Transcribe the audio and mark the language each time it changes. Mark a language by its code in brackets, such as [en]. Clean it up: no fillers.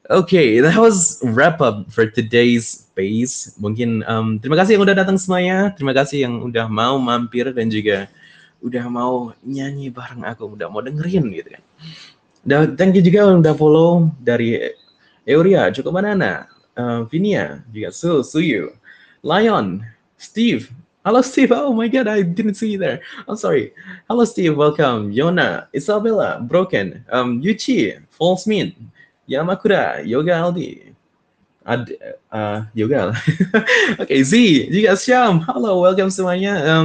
[en] Okay, that was wrap up for today's space. [id] Mungkin terima kasih yang udah datang semuanya, terima kasih yang udah mau mampir dan juga udah mau nyanyi bareng aku, udah mau dengerin gitu kan. [en] Thank you [id] juga yang udah follow dari Euria, Joko Banana, Vinia, juga Suyu, Lion, Steve. [en] Halo Steve, oh my God, I didn't see you there. I'm sorry. Halo Steve, welcome. Yona, Isabella, Broken, Yuchi, False Mean, Yamakura, Yoga Aldi, Yoga. [id] Okay, Z, juga Syam. Halo, welcome semuanya.